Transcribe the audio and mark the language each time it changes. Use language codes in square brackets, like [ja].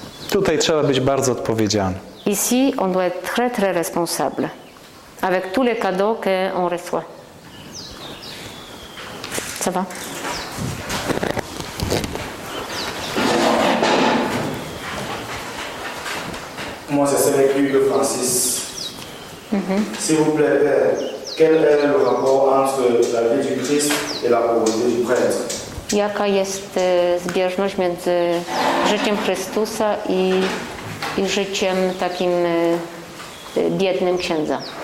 [pl] Tutaj trzeba być bardzo odpowiedzialny. [fr] Ici, on doit être très, très responsable avec tous les cadeaux qu'on reçoit. Ça va? Moi, c'est avec Hugo Francis. Mm-hmm. S'il vous plaît, Père, quel est le rapport entre la vie du Christ et la pauvreté du prêtre? [pl] Jaka jest zbieżność między życiem Chrystusa i życiem takim biednym księdza?